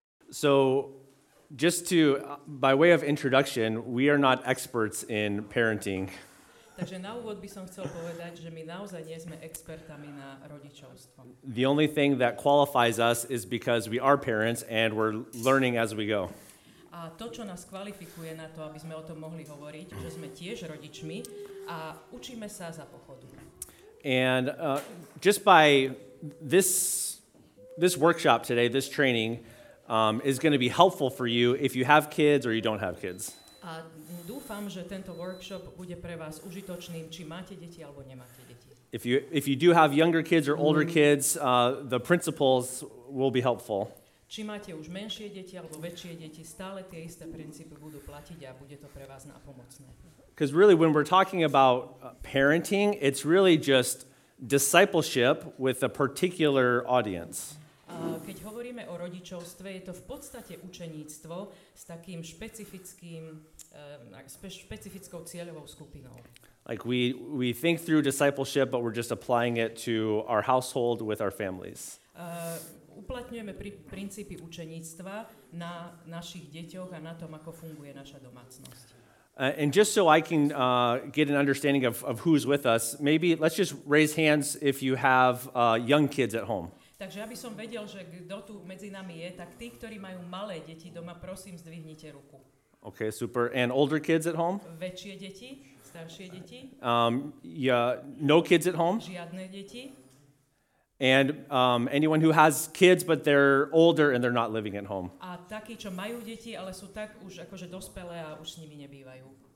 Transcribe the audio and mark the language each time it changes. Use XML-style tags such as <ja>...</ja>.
<en>So just to, by way of introduction, we are not experts in parenting.</en> <sk>Takže na úvod by som chcel povedať, že my naozaj nie sme expertami na rodičovstvo.</sk> <en>The only thing that qualifies us is because we are parents and we're learning as we go.</en> <sk>A to, čo nás kvalifikuje na to, aby sme o tom mohli hovoriť, že sme tiež rodičmi a učíme sa za pochodu.</sk> <en>And just by this workshop today, this training, is going to be helpful for you if you have kids or you don't have kids.</en> <sk>A dúfam, že tento workshop bude pre vás užitočným, či máte deti alebo nemáte deti.</sk> <en>If you do have younger kids or older kids, the principles will be helpful.</en> <sk>Či máte už menšie deti alebo väčšie deti, stále tie isté princípy budú platiť a bude to pre vás napomocné.</sk> <en>Because really, when we're talking about parenting, it's really just discipleship with a particular audience.</en> <sk>Keď hovoríme o rodičovstve, je to v podstate učeníctvo s takým špecifickou cieľovou skupinou.</sk> <en>Like we think through discipleship, but we're just applying it to our household with our families.</en> <sk>Uplatňujeme princípy učeníctva na našich deťoch a na tom, ako funguje naša domácnosť.</sk> <en>And just so I can get an understanding of who's with us, maybe let's just raise hands if you have young kids at home.</en> <sk>Takže aby som vedel, že kto tu medzi nami je, tak tí, ktorí majú malé deti doma, prosím, zdvihnite ruku.</sk> <en>Okay, super. And older kids at home?</en> <sk>Väčšie deti, staršie deti.</sk> <en>No kids at home?</en> <sk>Žiadne deti.</sk> <en>And anyone who has kids, but they're older and they're not living at home.</en> <sk>A takí, čo majú deti, ale sú tak už akože dospelé a už s nimi nebývajú.</sk>